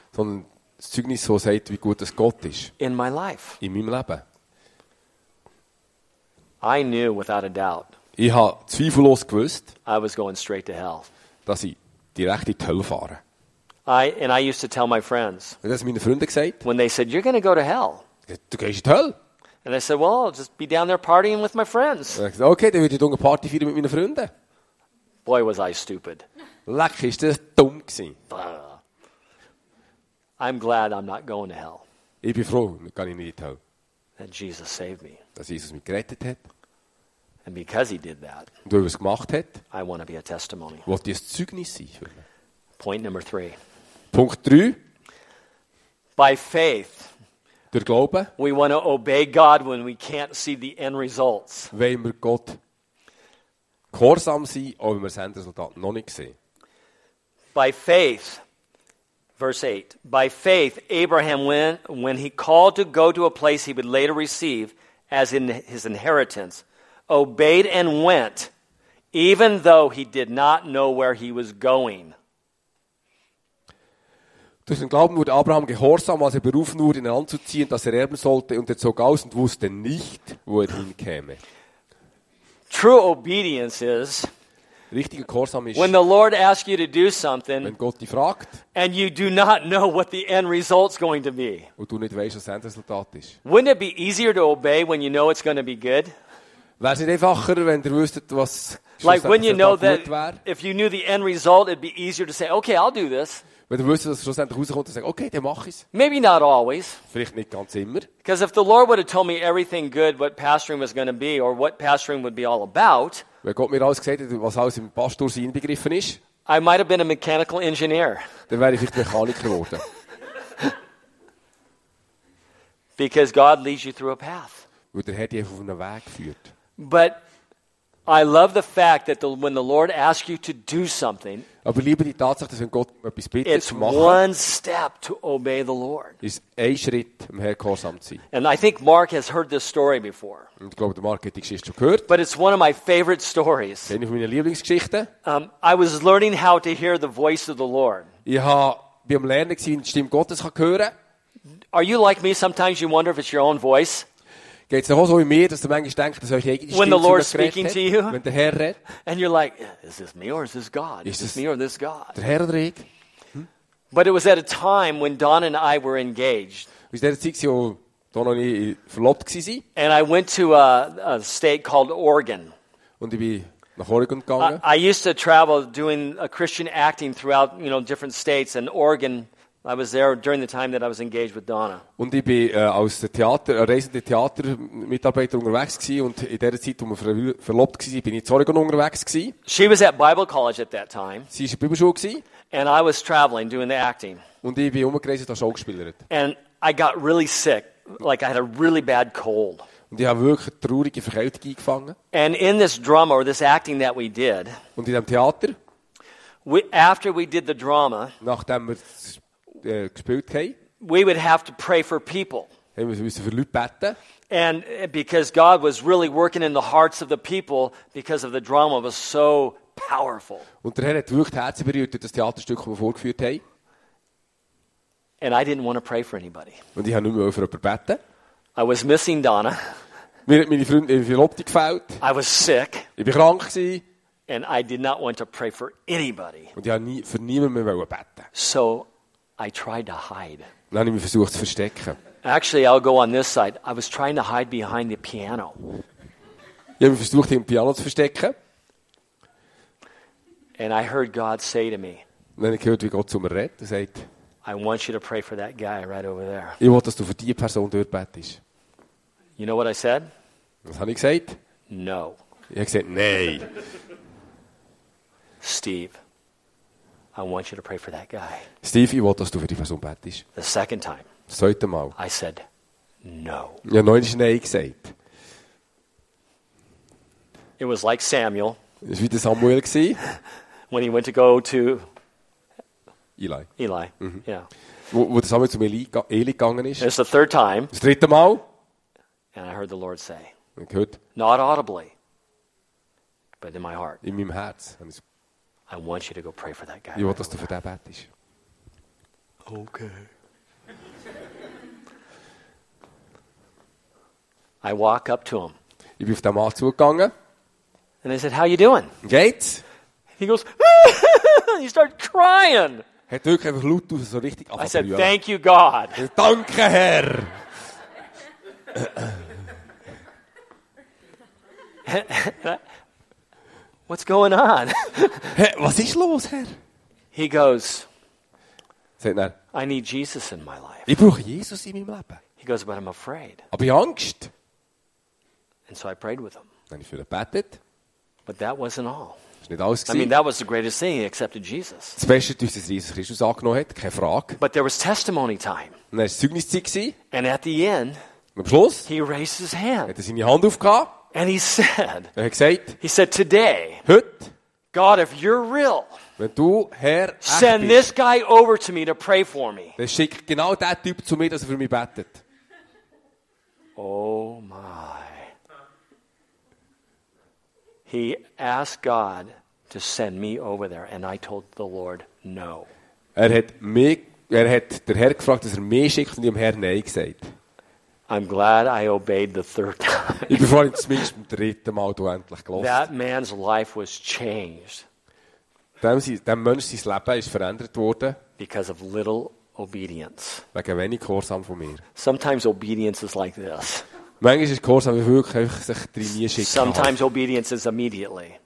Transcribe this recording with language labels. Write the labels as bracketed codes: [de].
[de] Sondern das Zeugnis soll sagen, wie gut es Gott ist. [en] In my life. [de] In meinem Leben. [en] I knew without a doubt. [de] Ich habe zweifellos gewusst. [en] I was going straight to hell. [de] Dass ich direkt in die Hölle fahre. [en] I used to tell my friends. [de] Und das meine Freunde gesagt. [en] When they said, you're going to go to hell. [de] Du gehst in die Hölle. [en] And I said, well, I'll just be down there partying with my friends. [de] Okay, dann würde ich eine Party feiern mit meinen Freunden. [en] Boy, was I stupid. [de] Leck, ist das dumm gewesen. [en] I'm glad I'm not going to hell. [de] Ich bin froh, kann ich nicht in die Hölle. [en] That Jesus saved me. [de] Dass Jesus mich gerettet hat. [en] And because he did that, [de] und weil er es gemacht hat, [en] I want to be a testimony. [de] Wollte ich ein Zeugnis sein. [en] Point number three. [de] Punkt 3. [en] By faith. [de] Durch Glauben. [en] We want to obey God when we can't see the end results. [de] Wollen wir Gott gehorsam sein, auch wenn wir das Endresultat noch nicht sehen. [en] By faith. Verse 8. By faith, Abraham went when he called to go to a place he would later receive as in his inheritance, obeyed and went, even though he did not know where he was going. [de] Durch den Glauben wurde Abraham gehorsam, als er berufen wurde, ihn anzuziehen, dass er erben sollte, und er zog aus und wusste nicht, wo er hinkäme. [en] True obedience is, [de] richtiger Gehorsam ist, [en] when the Lord asks you to do something, [de] wenn Gott dich fragt, [en] and you do not know what the end result's going to be. [de] Und du nicht weißt, was das Endresultat ist. [en] Wouldn't it be easier to obey when you know it's going to be good? [de] Wäre es nicht einfacher, wenn du wüsstest, was [en] like when you know that, if you knew the end result, it'd be easier to say, okay, I'll do this. [de] Wenn du wüsstest, dass es schlussendlich rauskommt, dann sagst du, okay, dann mach ich es. [en] Maybe not always. [de] Vielleicht nicht ganz immer. [en] Because if the Lord would have told me everything good, what pastoring was going to be, or what pastoring would be all about, [de] wenn Gott mir alles gesagt hat, was alles im Pastorsein inbegriffen ist, [en] I might have been a mechanical engineer. [de] Dann wäre ich vielleicht Mechaniker geworden. [en] Because God leads you through a path. [de] Weil der Herr dich einfach auf einen Weg führt. [en] But I love the fact that when the Lord asks you to do something, [de] aber liebe die Tatsache, dass wenn Gott etwas bittet, [en] it's [de] zu machen, [en] one step to obey the Lord. [de] Ist ein Schritt, um Herr gehorsam zu sein. [en] And I think Mark has heard this story before. [de] Und ich glaube, der Mark hat die Geschichte schon gehört. [en] But it's one of my favorite stories. [de] Eine von meinen Lieblingsgeschichten. [en] I was learning how to hear the voice of the Lord. [de] Ich war am Lernen, wie die Stimme Gottes kann hören. [en] Are you like me? Sometimes you wonder if it's your own voice. [de] Geht's noch so wie mir, dass du manchmal denkst, dass euch eigentlich [en] when the Lord speaking to you, [de] wenn der Herr redet, [en] and you're like, is this me or is this God? Is this me or this God? [de] Der Herr oder ich? [en] But it was at a time when Don and I were engaged. [de] Was der Zeit, wo Don und ich verlobt gsi sind? [en] And I went to a state called Oregon. [de] Und ich bin nach Oregon gegangen. [en] I used to travel doing a Christian acting throughout, you know, different states, and Oregon. I was there during the time that I was engaged with Donna. [de] Und ich bin aus der Theater, reisende Theatermitarbeiter unterwegs gsi, und in der Zeit, wo wir verlobt gsi sind, bin ich in Oregon unterwegs gsi. [en] She was at Bible College at that time. [de] Sie ist in Bibelschule gsi. [en] And I was traveling doing the acting. [de] Und ich bin umgereist, da Schauspielerin. [en] And I got really sick, like I had a really bad cold. [de] Und ich habe wirklich eine traurige Verkältung eingefangen. [en] And in this drama or this acting that we did. [de] Und in dem Theater. [en] After we did the drama. [de] Nachdem wir [en] we would have to pray for people. [de] Hey, wir müssen für Leute beten. [en] And because God was really working in the hearts of the people because of the drama was so powerful. [de] Und der Herr hat wirklich Herzen berührt durch das Theaterstück, das wir vorgeführt haben. [en] And I didn't want to pray for anybody. [de] Und ich habe nur mehr für jemanden beten. [en] I was missing Donna. [de] Mir hat meine Freundin für Lobte gefällt. [en] I was sick. [de] Ich bin krank gewesen. [en] And I did not want to pray for anybody. [de] Und ich habe nie für niemanden mehr beten. [en] So I tried to hide. [de] Dann habe ich mich versucht zu verstecken. [en] Actually, I'll go on this side. I was trying to hide behind the piano. [de] Ich habe mich versucht, im Piano zu verstecken. [en] And I heard God say to me. [de] Dann habe ich gehört, wie Gott zu mir redet. Er sagt, [en] I want you to pray for that guy right over there. [de] Ich will, dass du für die Person dort betest. [en] You know what I said? [de] Was habe ich gesagt? [en] No. [de] Ich habe gesagt, nein. [en] Steve. I want you to pray for that guy. [de] Steve, ich will, dass du für die Person betest. [en] The second time. [de] Das zweite Mal. [en] I said, no. [de] Ja, neunisch nein gesagt. [en] It was like Samuel. [de] Es war wie Samuel gsi. [en] When he went to go to Eli. Eli. Mhm. Yeah. [de] Wo Samuel zu Eli gegangen ist. [en] It's the third time. [de] Das dritte Mal. [en] And I heard the Lord say. [de] Gehört. [en] Not audibly, but in my heart. [de] In meinem Herz. [en] I want you to go pray for that guy. [de] Ich will, dass du für den betest. [en] Okay. I walk up to him. [de] Ich bin auf den Mann zugegangen. [en] And I said, how you doing? [de] Geht's? [en] He goes, he started crying. [de] Hat wirklich einfach laut aus, so richtig abgerührt. [en] I said, thank you, God. [de] Danke, Herr. [en] What's going on? [de] Hey, was ist los, Herr? [en] He goes, [de] sagt er, [en] I need Jesus in my life. [de] Ich brauche Jesus in meinem Leben. [en] He goes, but I'm afraid. [de] Aber ich habe Angst. [en] And so I prayed with him. [de] Dann habe ich für ihn gebetet. [en] But that wasn't all. [de] Das ist nicht alles gewesen. [en] I mean, that was the greatest thing. He accepted Jesus. [de] Das Beste, dass Jesus Christus angenommen hat, keine Frage. [en] But there was testimony time. [de] Und dann war es Zeugniszeit gewesen. [en] And at the end, [de] am Schluss, [en] he raised his hand. [de] Hat er seine Hand aufgehabt. [en] And he said, [de] er hat gesagt, [en] he said, today, [de] heute, [en] God, if you're real, [de] wenn du, Herr, [en] send [de] bist, [en] this guy over to me to pray for me. [de] Dann schick genau den Typ zu mir, dass er für mich betet. [en] Oh my. He asked God to send me over there and I told the Lord no. [de] Er hat der Herr gefragt, dass er mich schickt und ihm Herr Nein gesagt. [en] I'm glad I obeyed the third time. [de] Ich bin froh, dass ich zum dritten Mal du endlich gelost. [en] That man's life was changed. [de] Dem Mensch, sein Leben ist verändert worden. [en] Because of little obedience. [de] Wegen wenig Gehorsam von mir. [en] Sometimes obedience is like this. [de] Manchmal ist Gehorsam wirklich einfach sich trainieren schicken. [en] Sometimes obedience is immediately.